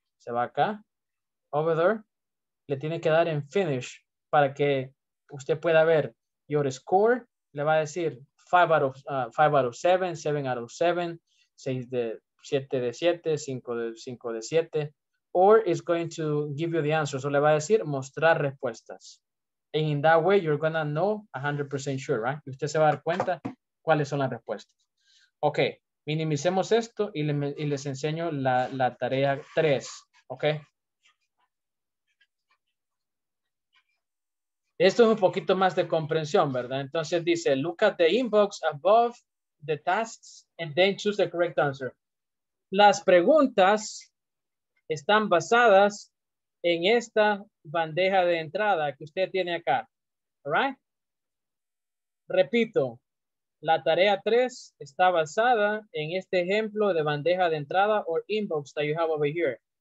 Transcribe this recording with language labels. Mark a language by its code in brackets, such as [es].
[es] Se va acá, over there, le tiene que dar en finish para que usted pueda ver your score, le va a decir 5 out of 7, 7 out of 7, 7 de 7, 5 de 7, or it's going to give you the answers, o le va a decir mostrar respuestas. [en] And in that way, you're going to know 100% sure, right? [es] Y usted se va a dar cuenta cuáles son las respuestas. Ok, minimicemos esto y les enseño la tarea 3, ok? Esto es un poquito más de comprensión, ¿verdad? Entonces dice, look at the inbox above the tasks and then choose the correct answer. Las preguntas están basadas en esta bandeja de entrada que usted tiene acá. Right? Repito, la tarea 3 está basada en este ejemplo de bandeja de entrada or inbox that you have over here.